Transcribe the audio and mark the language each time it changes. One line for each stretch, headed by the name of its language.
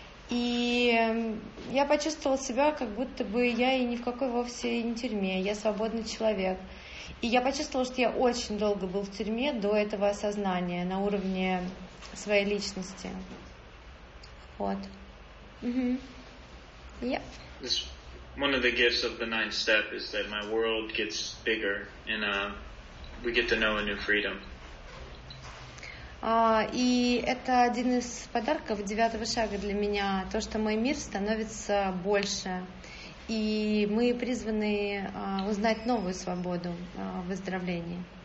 Russian: И я почувствовала себя, как будто бы я и ни в какой вовсе не тюрьме, я свободный человек. И я почувствовала, что я очень долго был в тюрьме до этого осознания на уровне своей личности. Вот. Угу. Yep.
English: One of the gifts of the ninth step is that my world gets bigger and we get to know a new freedom.
Russian: И это один из подарков девятого шага для меня, то, что мой мир становится больше. И мы призваны узнать новую свободу в выздоровлении.